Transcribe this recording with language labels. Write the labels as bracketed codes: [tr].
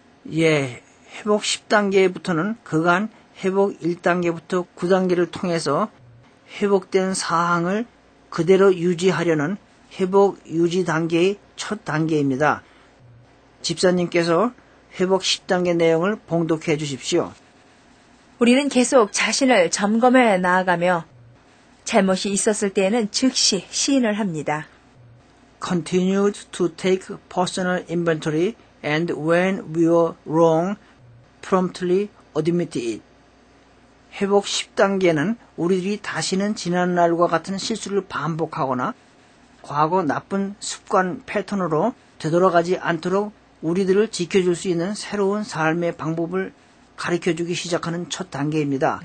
[ko] 예, 회복 10단계부터는 그간 회복 1단계부터 9단계를 통해서 회복된 사항을 그대로 유지하려는 회복 유지 단계의 첫 단계입니다. 집사님께서 회복 10단계 내용을 봉독해 주십시오. 우리는 계속 자신을 점검해 나아가며 잘못이 있었을 때에는 즉시 시인을 합니다. [en] Continued to take personal inventory and when we were wrong, promptly admit it. [ko] 회복 10단계는 우리들이 다시는 지난날과 같은 실수를 반복하거나 과거 나쁜 습관 패턴으로 되돌아가지 않도록 우리들을 지켜줄 수 있는 새로운 삶의 방법을 가르쳐주기 시작하는 첫 단계입니다.